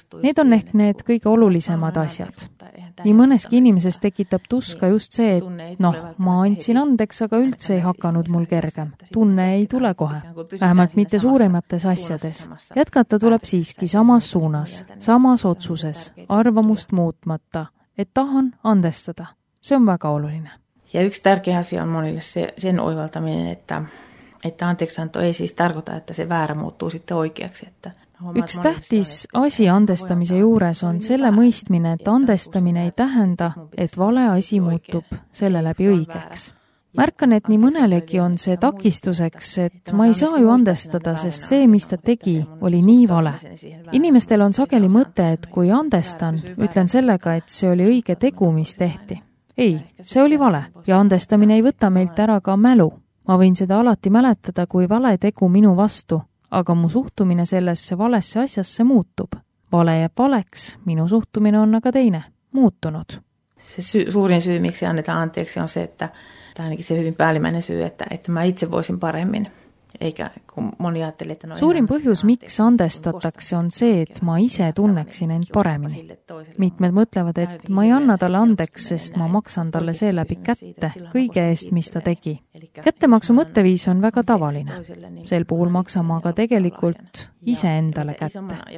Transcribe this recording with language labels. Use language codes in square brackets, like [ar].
[et] Need on ehk need kõige olulisemad asjad. Nii mõneski inimeses tekitab tuska just see, et noh, ma andsin andeks, aga üldse ei hakanud mul kergem. Tunne ei tule kohe, vähemalt mitte suuremates asjades. Jätkata tuleb siiski samas suunas, samas otsuses, arvamust muutmata, et tahan andestada. See on väga oluline. [fi] Ja üks tärkeä asia on monille sen oivaltaminen, että anteeksianto ei siis tarkoita, että se väärä muuttuu sitten oikeaksi, että [et] üks tähtis asi andestamise juures on selle mõistmine, et andestamine ei tähenda, et vale asi muutub selle läbi õigeks. Märkan, et nii mõnelegi on see takistuseks, et ma ei saa ju andestada, sest see, mis ta tegi, oli nii vale. Inimestel on sageli mõte, et kui andestan, ütlen sellega, et see oli õige tegu, mis tehti. Ei, see oli vale ja andestamine ei võta meilt ära ka mälu. Ma võin seda alati mäletada, kui vale tegu minu vastu. Aga mu suhtumine sellesse valesse asjasse muutub. Vale jääb valeks, minu suhtumine on aga teine, muutunud. [fi] See suurin syy, miksi annetaan anteeksi, on se, että tai ainakin se hyvin päällimmäinen syy, että mä itse voisin paremmin. Eikä, kun moni ajattelee, että [et] suurin põhjus, miksi andestatakse, on se, et ma ise tunneksin end paremmin. Mitmed mõtlevad, et ma ei anna talle andeks, sest ma maksan talle selläbi kätte, kõige eest, mis ta tegi. Kättemaksu mõtteviis on väga tavaline. Sel puhul maksan ma aga tegelikult ise endale kätte.